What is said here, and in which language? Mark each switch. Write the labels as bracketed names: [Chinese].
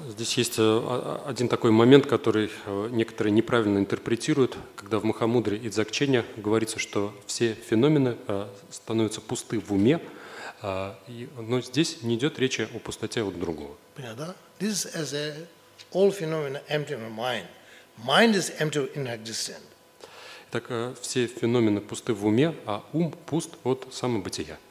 [Russian] Здесь есть один такой момент, который некоторые неправильно интерпретируют, когда в Махамудре и Дзогчене говорится, что все феномены становятся пусты в уме, но здесь не идет речи о пустоте от другого. Понятно, да? [English] This is as a all phenomena empty in mind. Mind is empty in existence. [Russian] Так все феномены пусты в уме, а ум пуст от самобытия.